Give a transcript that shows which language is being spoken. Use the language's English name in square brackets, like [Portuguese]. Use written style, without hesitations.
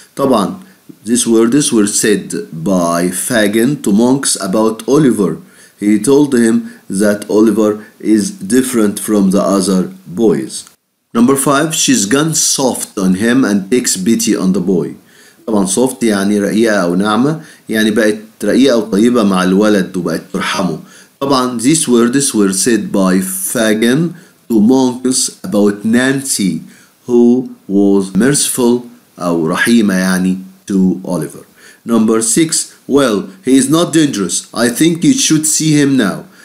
[English] طبعا these words were said by Fagin to Monks about Oliver. He told him that Oliver is different from the other boys. Number 5, she's gone soft on him and takes pity on the boy. [Arabic] طبعا soft يعني رقيقة أو ناعمة, يعني بقت رقيقة وطيبة مع الولد وبقت ترحمه. [English] طبعا these words were said by Fagin to Monks about Nancy who was merciful [Arabic] أو رحيمة يعني [English] to Oliver. Number 6, well, he is not dangerous. I think you should see him now.